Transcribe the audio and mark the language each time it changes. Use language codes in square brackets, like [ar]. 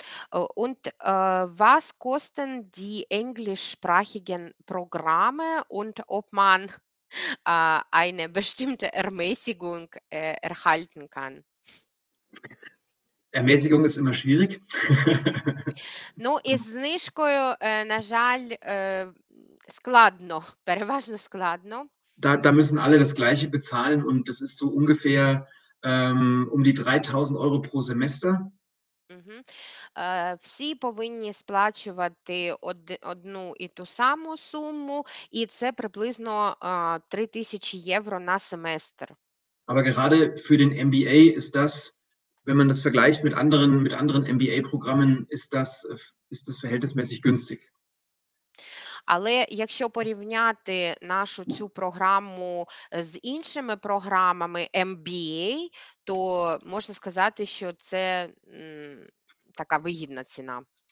[de] Was kosten die englischsprachigen Programme und ob man eine bestimmte Ermäßigung erhalten kann? Ermäßigung ist immer schwierig. [uk] Ну, із знижкою, на жаль, складно, переважно складно. [de] Da müssen alle das Gleiche bezahlen und das ist so ungefähr um die 3000 Euro pro Semester. [uk] Всі повинні сплачувати одну і ту саму суму, і це приблизно 3000 євро на семестр. [de] Aber gerade für den MBA ist das, wenn man das vergleicht mit anderen MBA-Programmen, ist das verhältnismäßig günstig. [uk] Але якщо порівняти нашу цю програму з іншими програмами MBA, то можна сказати, що це така вигідна ціна.